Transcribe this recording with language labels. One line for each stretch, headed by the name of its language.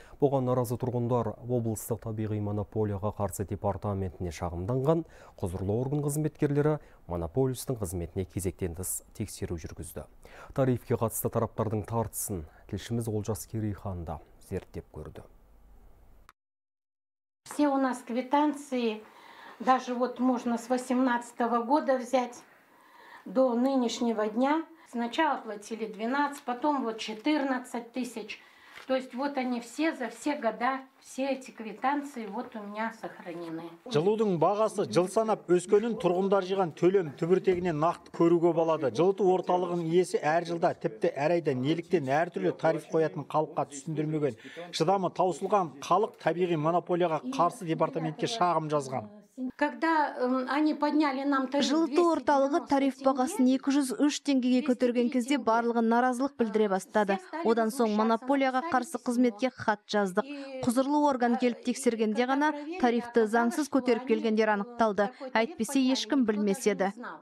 Kazakh: Бұған наразы тұрғындар облыстық табиғи монополияға қарсы департаментіне шағымданған. Құзырлы орган қызметкерлері монополистің қызметіне кезектен тыс тексеру жүргізді. Тарифке қатысты тараптардың тартысын тілшіміз Олжас Керейханда зерттеп көрді.
Russian: Все у нас квитанции, даже вот можно с 18-го года взять до нынешнего дня. Сначала платили 12, потом вот 14 тысяч. То есть вот они все за все года, все эти квитанции вот у меня сохранены.
Kazakh: Жылудың бағасы жыл санап өскенін тұрғындар жиған төлем түбіртегіне нақты көруге болады. Жылыту орталығының иесі әр жылда тіпті әр айда неліктен әр түрлі тариф қоятын қалыпқа түсіндірмеген. Шыдамы таусылған қалық табиғи монополияға қарсы департаментке шағым жазған.
Russian: Когда они подняли нам тариф,
Kazakh: жылыту орталығы тариф бағасын 203 теңгеге көтерген кезде барлығы наразылық білдіре бастады. Одан соң монополияға қарсы қызметке хат жаздық. Құзырлы орган келіп тексергенде ғана тарифті заңсыз көтеріп келгендер анықталды. Әйтпесе ешкім білмес еді.